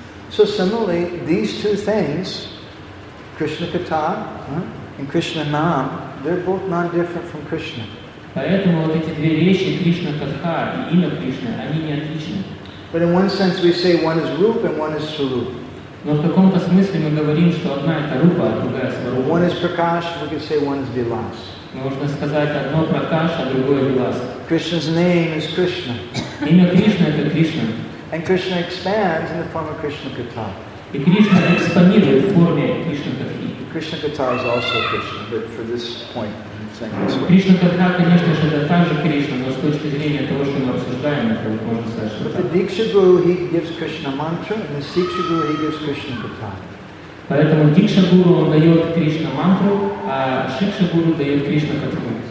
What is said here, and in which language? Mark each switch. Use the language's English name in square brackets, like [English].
[English] So similarly, these two things, Krishna Katha and Krishna Nam, they're both non-different from Krishna. [Russian] Поэтому вот эти две вещи, Кришна Катха и имя Кришны, они не отличны. [English] But in one sense we say one is Rup and one is Swarup. [Russian] Но в каком-то смысле мы говорим, что одна это Рупа, а другая Сварупа. [English] One is Prakash, we could say one is Vilas. [Russian] Можно сказать одно Prakash, а другое Vilas. [English] Krishna's name is Krishna. [Russian] Имя Кришна это Кришна. [English] And Krishna expands in the form of Krishna Katha. [Russian] И Кришна экспонирует в форме Кришна Катхи. [English] Krishna Katha is also Krishna, but for this point, [Russian] Кришна Катха, конечно же, это также Кришна, но с точки зрения того, что мы обсуждаем, это можно сказать, что [English] так. Диксха Гуру, he gives Krishna mantra, and the Сикха Гуру, he gives Krishna Katha. [Russian] Поэтому Диксха Гуру, он дает Кришна мантру, а Сикха Гуру дает Кришна Катху.